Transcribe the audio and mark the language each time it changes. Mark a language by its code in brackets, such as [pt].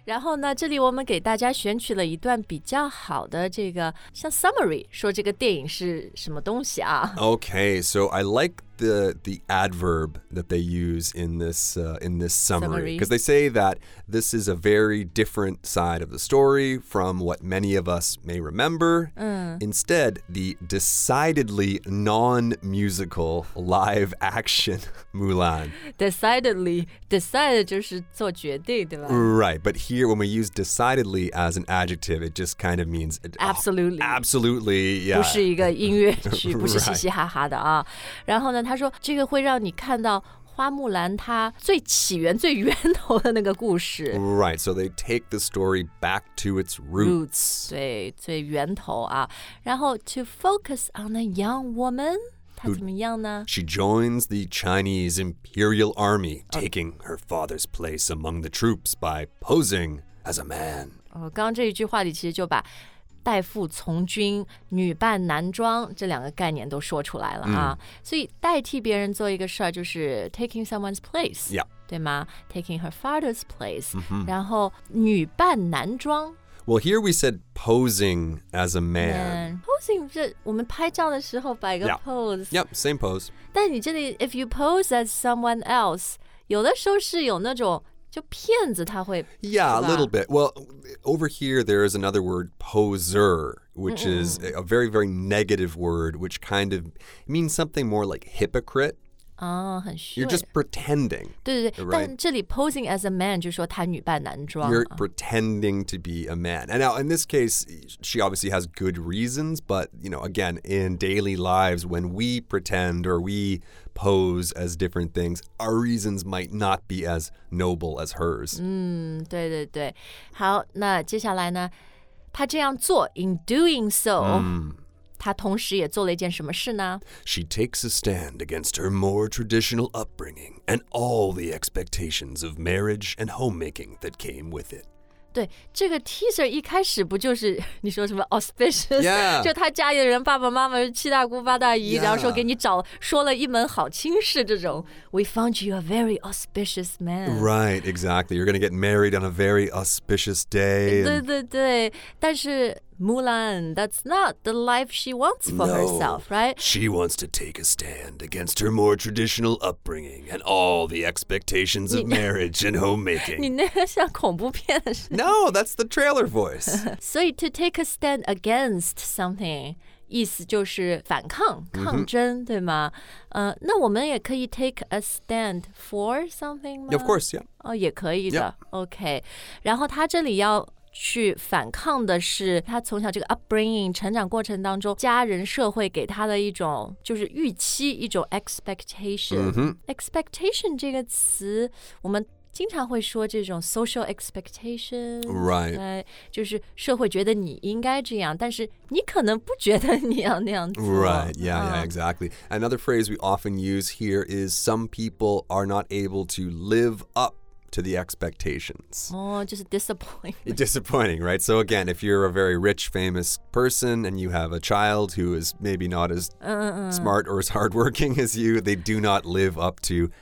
[zh] 然后呢，这里我们给大家选取了一段比较好的这个像 summary， 说这个电影是什么东西啊 [en] ？Okay, so I like the adverb that they use in this summary, because they say that this is a very different side of the story from what many of us may remember. Mm. Instead, the decidedly non-musical live action Mulan. Decidedly. [zh] Decided 就是做决定对吧 [en] Right. But here, when we use decidedly as an adjective, it just kind of means... Absolutely. Oh, absolutely, yeah. [zh] 不是一个音乐曲不是嘻嘻哈哈的啊。然后呢他说这个会让你看到花木兰她最起源最源头的那个故事 [en] Right, so they take the story back to its roots [zh] 对最源头啊然后 [en] to focus on a young woman [zh] 她怎么样呢 [en] She joins the Chinese Imperial Army taking her father's place among the troops by posing as a man [zh] 刚刚这一句话里其实就把代父从军女扮男装这两个概念都说出来了啊、mm. 所以代替别人做一个事儿就是 [en] taking someone's place、 yeah. [zh] 对吗 [en] taking her father's place、 mm-hmm. [zh] 然后女扮男装 [en] well here we said posing as a man [zh] posing 这我们拍照的时候摆个 pose、 [en] yeah. yep same pose [zh] 但你这里 [en] if you pose as someone else [zh] 有的时候是有那种就骗子他会 [en] Yeah, a little bit. Well, over here there is another word, poser, which is a very, very negative word, which kind of means something more like hypocrite. [zh] Oh, 很虚 [en] You're just pretending. [zh] 对对对 [en] right? [zh] 但这里 [en] posing as a man [zh] 就是说他女扮男装 [en] You're pretending to be a man. And now, in this case, she obviously has good reasons, but, you know, again, in daily lives, when we pretend or we... pose as different things, our reasons might not be as noble as hers. [zh] 对对对。好，那接下来呢，她这样做 , [en] in doing so, [zh] 她同时也做了一件什么事呢 [en] ?She takes a stand against her more traditional upbringing and all the expectations of marriage and homemaking that came with it. [zh] 对这个 teaser 一开始不就是你说什么 auspicious、 [en] yeah. [zh] 就他家里的人爸爸妈妈七大姑八大姨、 [en] yeah. [zh] 然后说给你找说了一门好亲事这种 [en] We found you a very auspicious man Right, exactly You're gonna get married on a very auspicious day and... [zh] 对对对但是 [en] Mulan That's not the life she wants for、 no. herself, right? She wants to take a stand against her more traditional upbringing and all the expectations of marriage and homemaking [zh] 你那个像恐怖片的 [en] No, that's the trailer voice. So to take a stand against something, [zh] 意思就是反抗、 mm-hmm. 抗争，对吗？那我们也可以 [en] take a stand for something [zh] 吗 [en] ？Of course, yeah. [zh] 哦，也可以的。 [en] Yeah. [zh] OK， 然后他这里要去反抗的是他从小这个 upbringing 成长过程当中，家人社会给他的一种就是预期，一种 expectation。 Mm-hmm. Expectation 这个词，我们。经常会说这种 [en] social expectation, right? [zh] 就是社会觉得你应该这样，但是你可能不觉得你要那样做。 [en] Right? Yeah, yeah, exactly. Another phrase we often use here is some people are not able to live up to the expectations. Oh, just disappointing. Disappointing, right? So again, if you're a very rich, famous person and you have a child who is maybe not as smart or as hardworking as you, they do not live up to.